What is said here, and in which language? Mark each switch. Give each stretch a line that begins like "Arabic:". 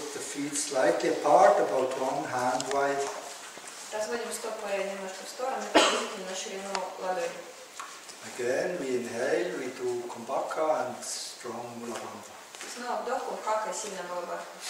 English: Feet slightly apart, about one hand wide.
Russian: Разводим стопы немножко в стороны, приблизительно ширину ладони.
English: Again, we inhale, we do kumbhaka and strong mula bandha.
Russian: Снова вдох, кумбхака, сильная мула бандха.